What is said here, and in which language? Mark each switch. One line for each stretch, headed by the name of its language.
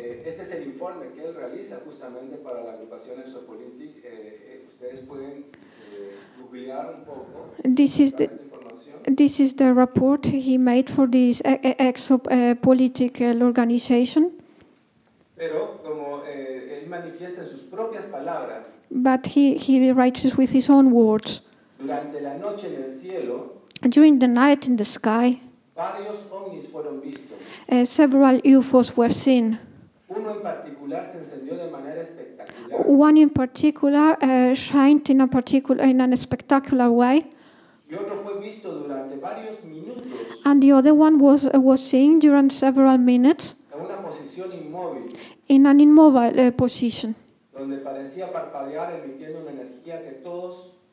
Spanish: Este es el informe que él realiza justamente para la agrupación Exopolitik. Ustedes pueden googlear un poco.
English: This is the report he made for this Exopolitical organization.
Spanish: Pero como él manifiesta en sus propias palabras.
English: But he writes with his own words.
Spanish: Durante la noche en el cielo.
English: During the night in the sky,
Spanish: varios ovnis fueron vistos.
English: Several UFOs were seen.
Spanish: Uno en particular se encendió de manera espectacular.
English: One in particular shined in a particular in a spectacular way.
Spanish: Y otro fue visto durante varios minutos.
English: And the other one was seen during several minutes.
Spanish: En una posición inmóvil.
English: In an immobile position.
Spanish: Donde parecía parpadear emitiendo una energía que todos